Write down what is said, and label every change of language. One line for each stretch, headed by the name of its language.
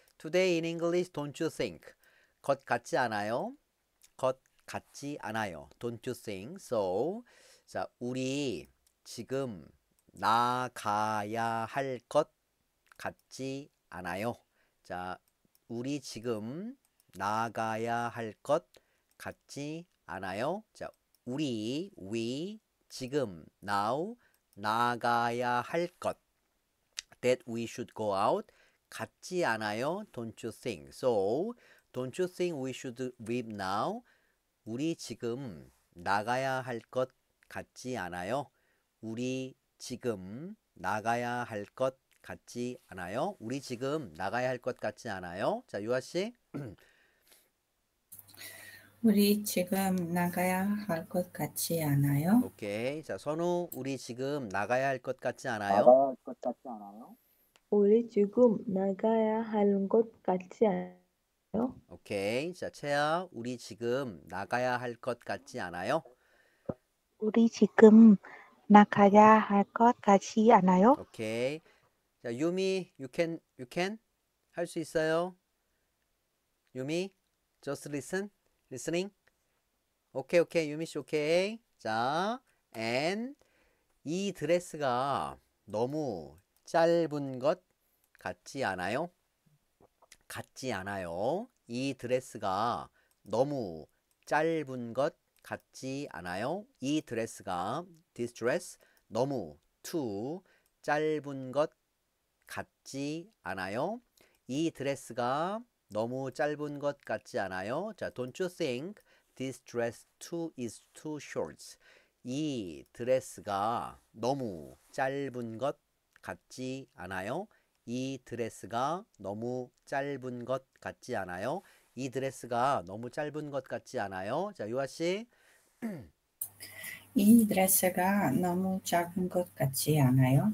English: Today in English, don't you think?
Korean: 것 같지 않아요? 것 같지 않아요?
English: Don't you think?
Korean: So, 자, 우리 지금 나가야 할것 같지 않아요? 자, 우리 지금 나가야 할것 같지 않아요? 자, 우리, we, 지금, now, 나가야 할 것.
English: That we should go out
Korean: 같지 않아요?
English: Don't you think? So, don't you think we should leave now?
Korean: 우리 지금 나가야 할것 같지 않아요? 우리 지금 나가야 할것 같지 않아요? 우리 지금 나가야 할것 같지 않아요? 자, 유아 씨. 우리 지금 나가야 할것 같지 않아요? 오케이. 자, 선우, 우리 지금 나가야 할것 같지 않아요? 나가야 할것 같지 않아요? 우리 지금 나가야 할것 같지 않아요? 오케이. 자, 채아, 우리 지금 나가야 할것 같지 않아요? 우리 지금 나가야 할것 같지 않아요? 오케이. 자, 유미,
English: you can
Korean: 할수 있어요?
English: 유미, just listening.
Korean: 오케이, 오케이, 유미 씨, 오케이. 자, and 이 드레스가 너무 짧은 것 같지 않아요? 같지 않아요? 이 드레스가 너무 짧은 것 같지 않아요? 이 드레스가 this dress 너무 too 짧은 것 같지 않아요? 이 드레스가 너무 짧은 것 같지 않아요?
English: 자, don't you think this dress too is too short?
Korean: 이 드레스가 너무 짧은 것 같지 않아요? 이 드레스가 너무 짧은 것 같지 않아요? 이 드레스가 너무 짧은 것 같지 않아요? 자, 유아 씨. 이 드레스가 너무 작은 것 같지 않아요?